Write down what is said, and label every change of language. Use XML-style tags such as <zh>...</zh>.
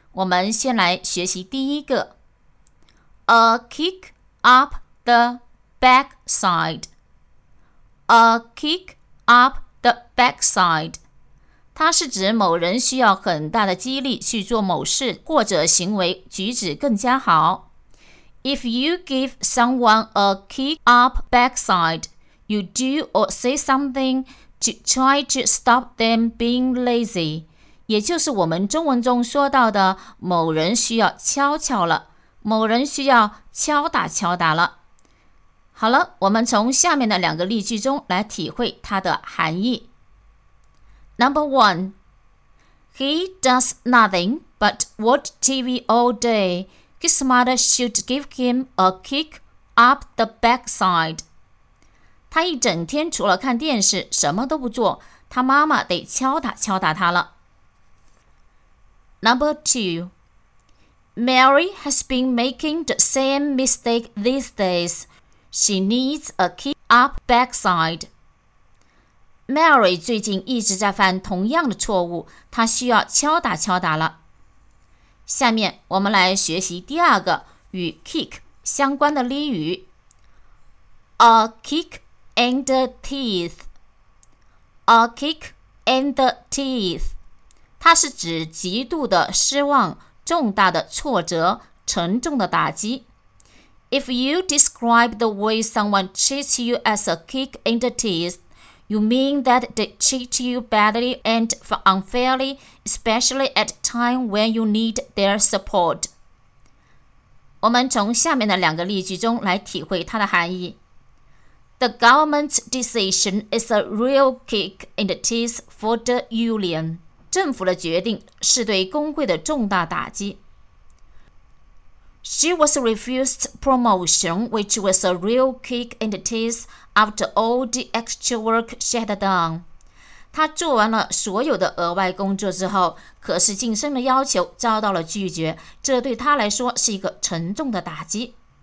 <zh>我们先来学习第一个，</zh> <en>A kick up the backside. A kick up the backside.</en> <zh>它是指某人需要很大的激励去做某事或者行为举止更加好。</zh> <en>If you give someone a kick up backside, you do or say something to try to stop them being lazy.</en> <zh>也就是我们中文中说到的某人需要敲敲了。某人需要敲打敲打了。好了，我们从下面的两个例句中来体会它的含义。</zh> <en>Number one, he does nothing but watch TV all day. His mother should give him a kick up the backside.</en> <zh>他一整天除了看电视什么都不做，他妈妈得敲打敲打他了。</zh> <en>Number two,Mary has been making the same mistake these days. She needs a kick up backside.</en> <zh>Mary 最近一直在犯同样的错误，她需要敲打敲打了。下面我们来学习第二个与 kick 相关的俚语。</zh> <en>A kick in the teeth. A kick in the teeth.</en> <zh>它是指极度的失望，重大的挫折，沉重的打击。</zh> <en>If you describe the way someone treats you as a kick in the teeth, you mean that they treat you badly and unfairly, especially at a time when you need their support.</en> <zh>我们从下面的两个例句中来体会它的含义。</zh> <en>The government's decision is a real kick in the teeth for the union.</en> <zh>政府的决定是对工会的重大打击。</zh> <en>She was refused promotion, which was a real kick in the teeth after all the extra work she had done.</en> <zh>她做完了所有的额外工作之后，可是晋升的要求遭到了拒绝，这对她来说是一个沉重的打击。</zh>